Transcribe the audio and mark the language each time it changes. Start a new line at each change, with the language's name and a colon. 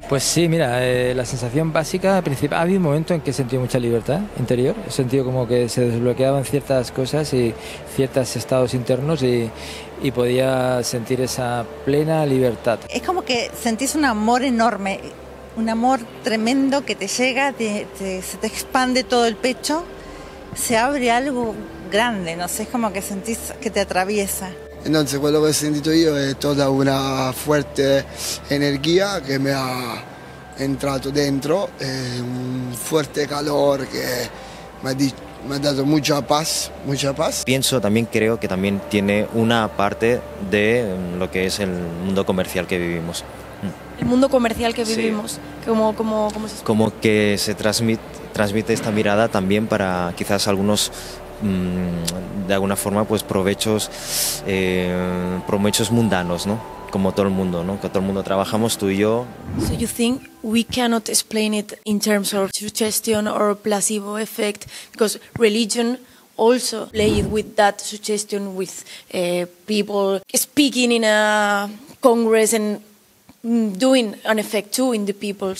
Spanish: Pues sí, mira, la sensación básica, principal, ha habido un momento en que he sentido mucha libertad interior, he sentido como que se desbloqueaban ciertas cosas y ciertos estados internos y podía sentir esa plena libertad. Es como que sentís un amor enorme, un amor tremendo que te llega, se te expande todo el pecho, se abre algo grande, no sé, es como que sentís que te atraviesa.
Italian: Entonces, quello che ho sentito io è tutta una forte energia che mi ha entrato dentro, è un forte calore che mi ha dato
Spanish: mucha paz, mucha paz. Pienso, también creo que también tiene una parte de lo que es el mundo comercial que vivimos. El mundo comercial que vivimos, sí. ¿Cómo se como que se transmite esta mirada también para quizás algunos de alguna forma pues provechos mundanos, ¿no? Como todo el mundo, ¿no? Que todo el mundo trabajamos, tú y yo.
English: So you think we cannot explain it in terms of suggestion or placebo effect because religion also played with that suggestion with people speaking in a congress and doing an effect too in the people.